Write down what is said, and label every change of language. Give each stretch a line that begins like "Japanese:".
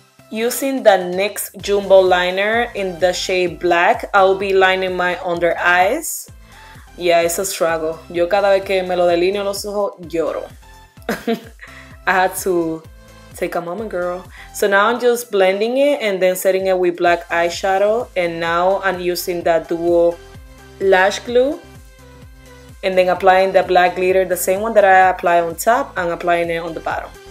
English: Using the NYX Jumbo Liner in the shade Black, I'll be lining my under eyes. Yeah, it's a struggle.
Spanish: Yo cada vez que me lo delineo los ojos, lloro.
English: I had to take a moment, girl. So now I'm just blending it and then setting it with black eyeshadow. And now I'm using the Duo Lash Glue. And then applying the black glitter, the same one that I apply on top, I'm applying it on the bottom.